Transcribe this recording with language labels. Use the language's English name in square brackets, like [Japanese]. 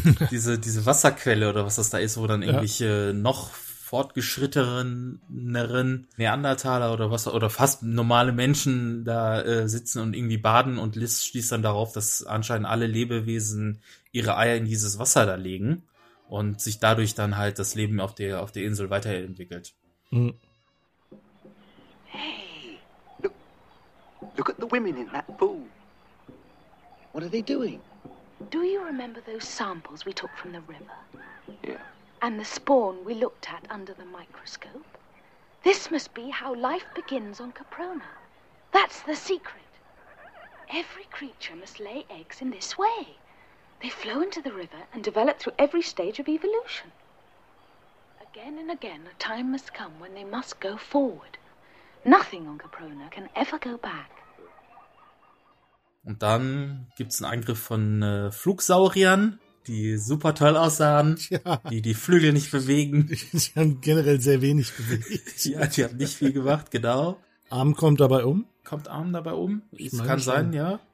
[German] diese Wasserquelle oder was das da ist, wo dann irgendwelche noch fortgeschritteneren Neandertaler oder was oder fast normale Menschen da sitzen und irgendwie baden und Liz schließt dann darauf, dass anscheinend alle Lebewesen ihre Eier in dieses Wasser da legen und sich dadurch dann halt das Leben auf der Insel weiterentwickelt. [English] Hey, look at the women in that pool. What are they doing? Do you remember those samples we took from the river? Yeah. And the spawn we looked at under the microscope? This must be how life begins on Caprona. That's the secret. Every creature must lay eggs in this way. They flow into the river and develop through every stage of evolution. Again and again, a time must come when they must go forward. Nothing on Caprona can ever go back. [German] Und dann gibt's einen Angriff von Flugsauriern, die super toll aussahen, die Flügel nicht bewegen. Die haben generell sehr wenig bewegt. Ja, die haben nicht viel gemacht, genau. Arm kommt dabei um. Kommt Arm dabei um? Ich meine, kann sein, ja.